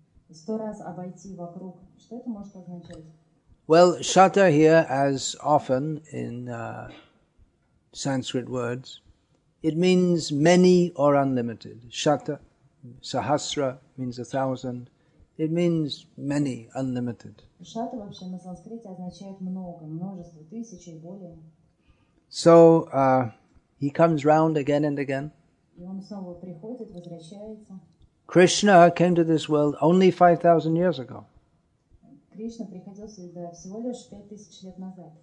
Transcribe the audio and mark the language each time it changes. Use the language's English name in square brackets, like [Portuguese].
[Russian] 100 раз обойти вокруг, что это может означать? [English] Well, Shata here, as often in Sanskrit words, it means many or unlimited. Shata, sahasra, means 1,000. It means many, unlimited. [Russian] Shata вообще на санскрите означает много, множество, тысячи и более. [English] So, he comes round again and again. [Russian] И он снова приходит, возвращается. [English] Krishna came to this world only 5,000 years ago. [Russian] Кришна приходил сюда всего лишь 5,000 лет назад.